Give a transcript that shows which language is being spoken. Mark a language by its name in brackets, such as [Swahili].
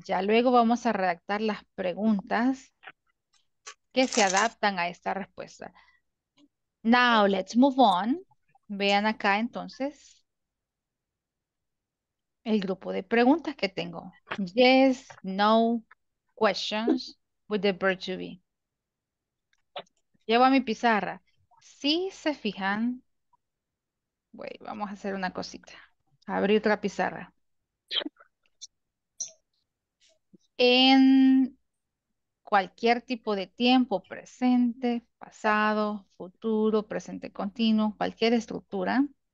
[Spanish] Ya luego vamos a redactar las preguntas que se adaptan a esta respuesta. [English] Now, let's move on. [Spanish] Vean acá entonces el grupo de preguntas que tengo. [English] Yes, no questions with the verb to be. [Spanish] Llevo a mi pizarra. Si se fijan, vamos a hacer una cosita. Abrir otra pizarra. En cualquier tipo de tiempo, presente, pasado, futuro, presente continuo, cualquier estructura.